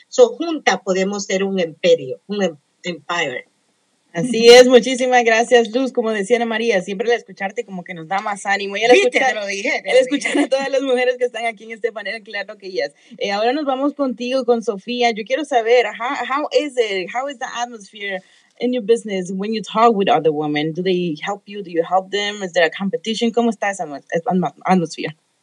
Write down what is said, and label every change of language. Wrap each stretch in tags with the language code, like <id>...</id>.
<es>So, juntas podemos ser un imperio, un empire. Así es, muchísimas gracias, Luz. Como decía Ana María, siempre al escucharte como que nos da más ánimo. Y al escuchar a todas las mujeres que están aquí en este panel, claro que ellas. Ahora nos vamos contigo, con Sofía. Yo quiero saber,</es> <en>how is the atmosphere in your business when you talk with other women? Do they help you? Do you help them? Is there a competition?</en> <es>¿Cómo está esa atmosphere?</es>